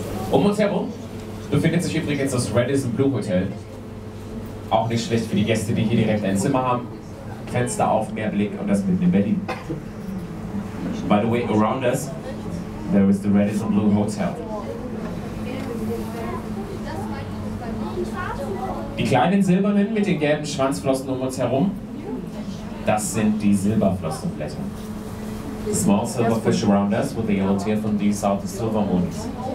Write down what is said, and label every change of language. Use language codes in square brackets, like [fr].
[de] Um uns herum befindet sich übrigens das Radisson Blue Hotel. Auch nicht schlecht für die Gäste, die hier direkt ein Zimmer haben. Fenster auf, mehr Blick und das mitten in Berlin. [en] By the way, around us, there is the Radisson Blue Hotel. [de] Die kleinen Silbernen mit den gelben Schwanzflossen um uns herum, das sind die Silberflossenblätter. [en] The small silver fish around us with the yellow tail from these are the silver moons.